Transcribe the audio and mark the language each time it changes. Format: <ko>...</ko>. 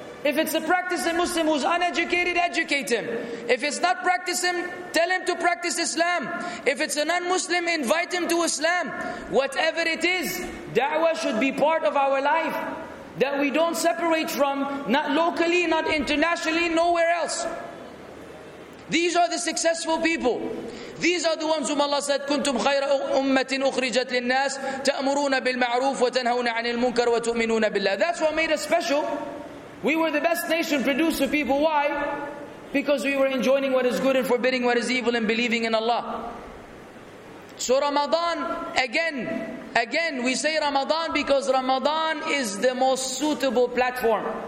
<en>If it's a practicing Muslim who's uneducated, educate him. If it's not practicing, tell him to practice Islam. If it's a non-Muslim, invite him to Islam. Whatever it is, da'wah should be part of our life, that we don't separate from, not locally, not internationally, nowhere else. These are the successful people. These are the ones whom Allah said,</en> <ar>كُنْتُمْ خَيْرَ أُمَّةٍ أُخْرِجَتْ لِلنَّاسِ تَأْمُرُونَ بِالْمَعْرُوفِ وَتَنْهَوْنَ عَنِ الْمُنْكَرِ وَتُؤْمِنُونَ بِاللَّهِ.</ar> <en>That's what made us special. We were the best nation produced of people. Why? Because we were enjoining what is good and forbidding what is evil and believing in Allah. So Ramadan, again, we say Ramadan because Ramadan is the most suitable platform.</en>